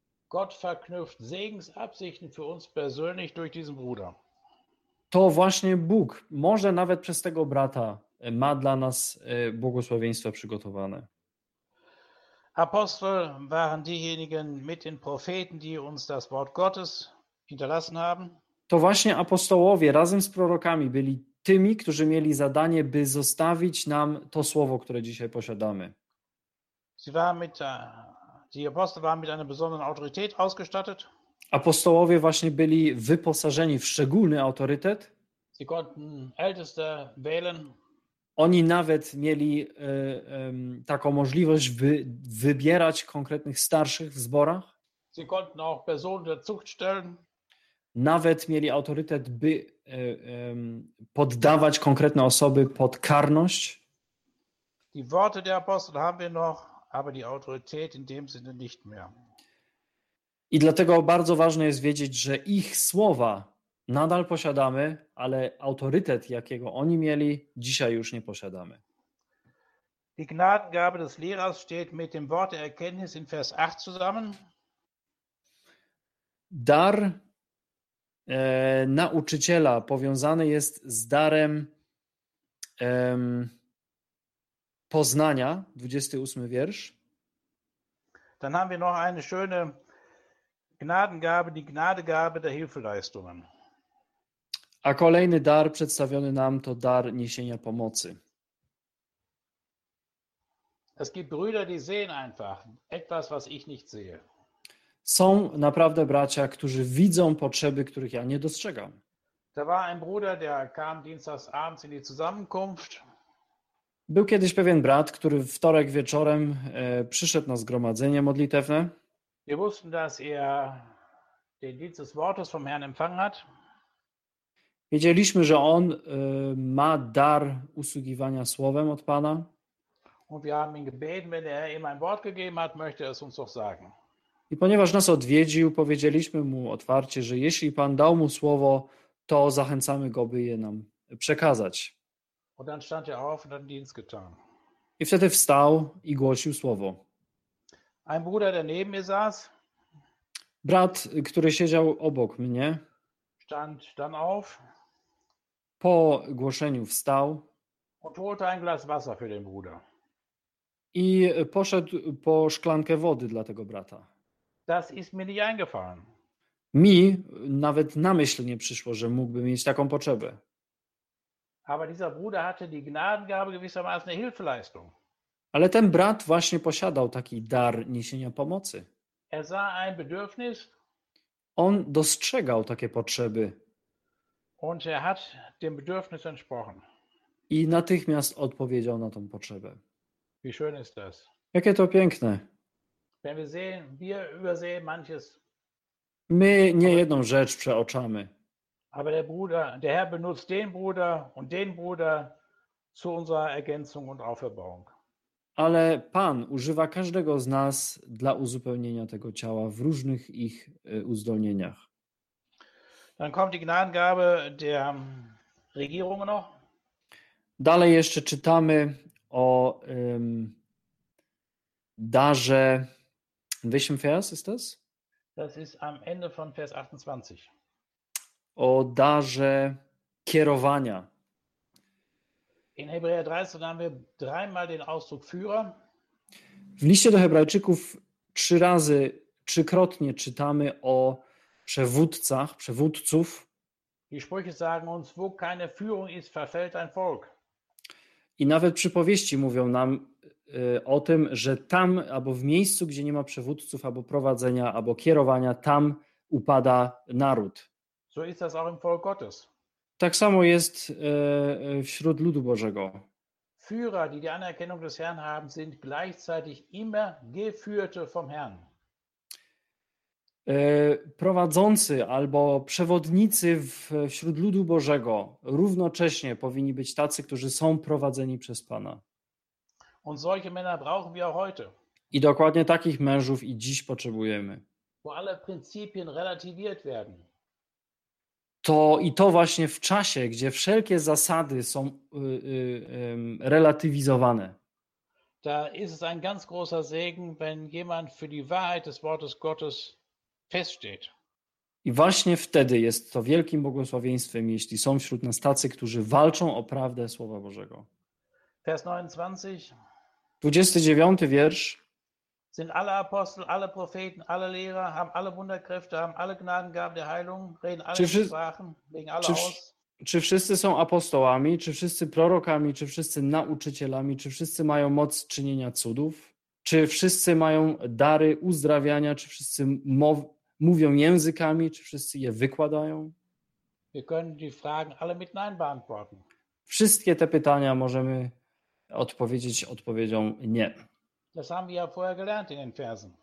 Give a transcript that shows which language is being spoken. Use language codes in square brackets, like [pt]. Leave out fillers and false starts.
[de] Gott verknüpft Segensabsichten für uns persönlich durch diesen Bruder. [pl] To właśnie Bóg, może nawet przez tego brata, ma dla nas błogosławieństwa przygotowane. [de] Apostel waren diejenigen mit den Propheten, die uns das Wort Gottes hinterlassen haben. [pl] To właśnie apostołowie razem z prorokami byli tymi, którzy mieli zadanie, by zostawić nam to słowo, które dzisiaj posiadamy. [de] Die Apostel waren mit einer besonderen Autorität ausgestattet. [pl] Apostołowie właśnie byli wyposażeni w szczególny autorytet. [de] Sie konnten Älteste wählen. [pl] Oni nawet mieli taką możliwość, by wybierać konkretnych starszych w zborach. [de] Sie konnten auch Personen der Zucht stellen. [pl] Nawet mieli autorytet, by poddawać konkretne osoby pod karność. [de] Die Worte der Apostel haben wir noch, aber die Autorität in dem Sinne nicht mehr. [pl] I dlatego bardzo ważne jest wiedzieć, że ich słowa nadal posiadamy, ale autorytet, jakiego oni mieli, dzisiaj już nie posiadamy. [de] Die Gnadengabe des Lehrers steht mit dem Wort der Erkenntnis in Vers 8 zusammen. [pl] Dar nauczyciela powiązany jest z darem poznania, 28 wiersz. [de] Dann haben wir noch eine schöne Gnadengabe, die Gnadegabe der Hilfeleistungen. [pl] A kolejny dar przedstawiony nam to dar niesienia pomocy. [de] Es gibt Brüder, die sehen einfach etwas, was ich nicht sehe. [pl] Są naprawdę bracia, którzy widzą potrzeby, których ja nie dostrzegam. [de] Da war ein Bruder, der kam dienstags abends in die Zusammenkunft. [pl] Był kiedyś pewien brat, który w wtorek wieczorem przyszedł na zgromadzenie modlitewne. [de] Wir wussten, dass er den Dienst des Wortes vom Herrn empfangen hat. [pl] Wiedzieliśmy, że on ma dar usługiwania słowem od Pana. [de] Und wir haben ihn gebeten, wenn er ihm ein Wort gegeben hat, möchte er es uns doch sagen. [pl] I ponieważ nas odwiedził, powiedzieliśmy mu otwarcie, że jeśli Pan dał mu słowo, to zachęcamy go, by je nam przekazać. [de] Und dann stand er auf und hat den Dienst getan. [pl] I wtedy wstał i głosił słowo. [de] Ein Bruder, der neben mir saß, [pl] brat, który siedział obok mnie, [de] stand dann auf, [pl] po głoszeniu wstał [de] und holte ein Glas Wasser für den Bruder. [pl] I poszedł po szklankę wody dla tego brata. [de] Das ist mir nicht eingefallen. [pl] Mi nawet na myśl nie przyszło, że mógłby mieć taką potrzebę. [de] Aber dieser Bruder hatte die Gnadengabe gewissermaßen eine Hilfeleistung. [pl] Ale ten brat właśnie posiadał taki dar niesienia pomocy. [de] Er sah ein Bedürfnis. [pl] On dostrzegał takie potrzeby. [de] Und er hat dem Bedürfnis entsprochen. [pl] I natychmiast odpowiedział na tą potrzebę. [de] Wie schön ist das. [pl] Jakie to piękne. [de] Wenn wir sehen, wir übersehen manches. [pl] My nie jedną rzecz przeoczamy. [de] Aber der Bruder, der Herr benutzt den Bruder und den Bruder zu unserer Ergänzung und Auferbauung. [pl] Ale Pan używa każdego z nas dla uzupełnienia tego ciała w różnych ich uzdolnieniach. [de] Dann kommt die Gnadengabe der Regierung noch. [pl] Dalej jeszcze czytamy o darze. [de] In welchem Vers ist das? Das ist am Ende von Vers 28. [pl] O darze kierowania. [de] In Hebräer 13 haben wir dreimal den Ausdruck Führer. [pl] W liście do Hebrajczyków trzykrotnie czytamy o przewódcach, przewódców. [de] Die Sprüche sagen uns, wo keine Führung ist, verfällt ein Volk. [pl] I nawet przypowieści mówią nam o tym, że tam albo w miejscu, gdzie nie ma przewódców, albo prowadzenia, albo kierowania, tam upada naród. [de] So ist das auch im Volk Gottes. [pl] Tak samo jest wśród ludu Bożego. [de] Führer, die die Anerkennung des Herrn haben, sind gleichzeitig immer geführte vom Herrn. [pl] Prowadzący albo przewodnicy wśród ludu Bożego równocześnie powinni być tacy, którzy są prowadzeni przez Pana. [de] Und solche Männer brauchen wir auch heute. [pl] I dokładnie takich mężów i dziś potrzebujemy. [de] Wo alle Prinzipien relativiert werden. [pl] To i to właśnie w czasie, gdzie wszelkie zasady są relatywizowane. [de] Da ist es ein ganz großer Segen, wenn jemand für die Wahrheit des Wortes Gottes feststeht. [pl] I właśnie wtedy jest to wielkim błogosławieństwem, jeśli są wśród nas tacy, którzy walczą o prawdę Słowa Bożego. [de] Vers 29. [pl] 29 wiersz. [de] Sind alle Apostel, alle Propheten, alle Lehrer, haben alle Wunderkräfte, haben alle Gnadengaben der Heilung, reden alle Sprachen, legen alle aus. [pl] Czy wszyscy są apostołami, czy wszyscy prorokami, czy wszyscy nauczycielami, czy wszyscy mają moc czynienia cudów, czy wszyscy mają dary uzdrawiania, czy wszyscy mówią językami, czy wszyscy je wykładają? [de] Wir können die Fragen alle mit Nein beantworten. [pl] Wszystkie te pytania możemy odpowiedzieć odpowiedzią nie. [de] Das haben wir ja vorher gelernt in den Versen.